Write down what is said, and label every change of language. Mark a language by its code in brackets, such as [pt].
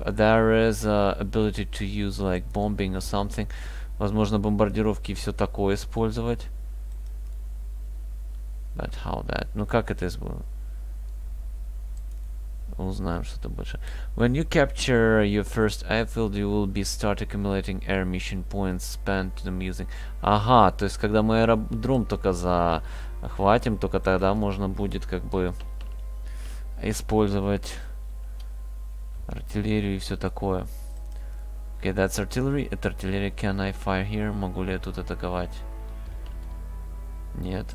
[en] There is ability to use like bombing or something. [ru] Возможно, бомбардировки и все такое использовать. [en] But how that? [ru] Ну как это было? Узнаем что-то больше. [en] When you capture your first airfield, you will be start accumulating air mission points, spent them using. [ru] Ага, то есть когда мы аэродром только захватим, только тогда можно будет как бы использовать артиллерию и все такое. [en] Okay, that's artillery. [ru] Это артиллерия. [en] Can I fire here? [ru] Могу ли я тут атаковать? Нет.